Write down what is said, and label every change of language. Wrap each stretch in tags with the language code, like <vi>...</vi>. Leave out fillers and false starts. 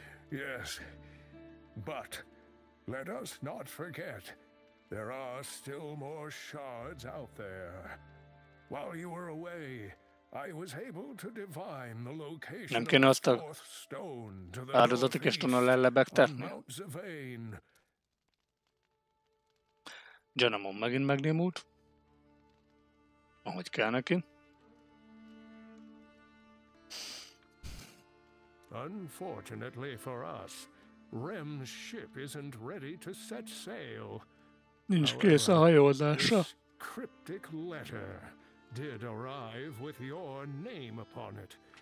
<en>Yes, but let us not forget, there are still more shards out there. While you were away, I was able to divine the location of the fourth stone to the northeast on Mount Zavain.</en> <hu>Gyanamon megint megnémult, ahogy kell neki.</hu> <en>Unfortunately for us, Rem's ship isn't ready to set sail.</en> <hu>Nincs kész a hajózása.</hu> <en>This cryptic letter did arrive with your name upon it.</en>